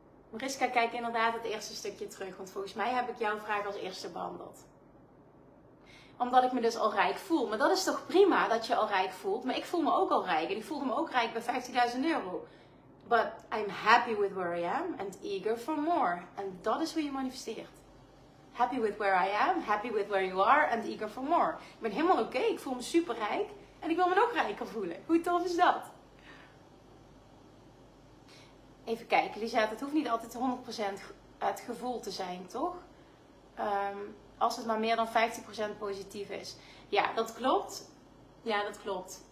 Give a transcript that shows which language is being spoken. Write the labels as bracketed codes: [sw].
[nl] Mariska, kijk inderdaad het eerste stukje terug, want volgens mij heb ik jouw vraag als eerste behandeld. Omdat ik me dus al rijk voel. Maar dat is toch prima dat je al rijk voelt? Maar ik voel me ook al rijk en ik voelde me ook rijk bij 15.000 euro. [en] But I'm happy with where I am and eager for more. [nl] En dat is hoe je manifesteert. [en] Happy with where I am, happy with where you are and eager for more. [nl] Ik ben helemaal oké, ik voel me super rijk en ik wil me nog rijker voelen. Hoe tof is dat? Even kijken, Lisette, het hoeft niet altijd 100% het gevoel te zijn, toch? Als het maar meer dan 50% positief is. Ja, dat klopt. Ja, dat klopt.